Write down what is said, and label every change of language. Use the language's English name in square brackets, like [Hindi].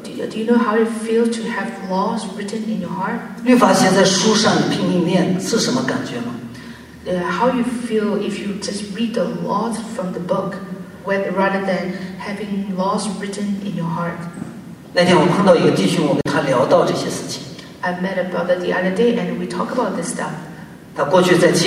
[English] Do you know how it feels to have laws written in your heart? [Chinese] 律法写在书上拼命念是什么感觉吗? [English] How you feel if you just read the laws from the book, rather than having laws written in your heart? [Chinese] 那天我碰到一个弟兄，我跟他聊到这些事情。 [English] I met a brother the other day, and we talk about this stuff.